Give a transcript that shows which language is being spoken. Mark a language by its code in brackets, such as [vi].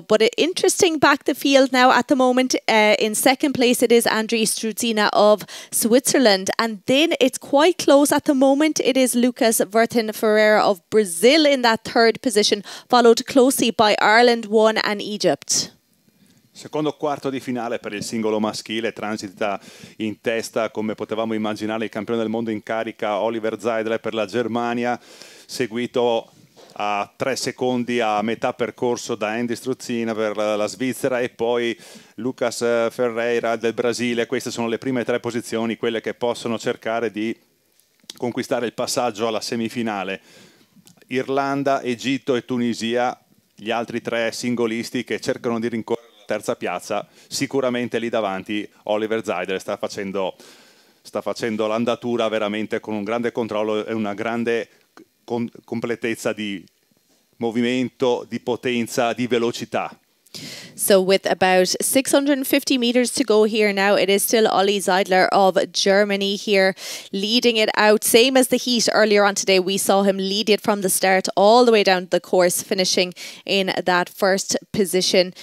[en] But interesting back the field now at the moment. In second place, it is Andriy Strudzina of Switzerland. And then it's quite close at the moment. It is Lucas Vertin Ferreira of Brazil in that third position, followed closely by Ireland 1 and Egypt. [it] Secondo quarto di finale per il singolo maschile, transita in testa, come potevamo immaginare, il campione del mondo in carica, Oliver Zeidler per la Germania, seguito a 3 secondi a metà percorso da Andy Struzzina per la Svizzera e poi Lucas Ferreira del Brasile. Queste sono le prime 3 posizioni, quelle che possono cercare di conquistare il passaggio alla semifinale. Irlanda, Egitto e Tunisia, gli altri 3 singolisti che cercano di rincorrere terza piazza, sicuramente lì davanti Oliver Zeidler sta facendo l'andatura veramente con un grande controllo e una grande completezza di movimento, di potenza, di velocità. [en] So with about 650 meters to go here now, it is still Olli Zeidler of Germany here leading it out. Same as the heat earlier on today, we saw him lead it from the start all the way down the course, finishing in that first position.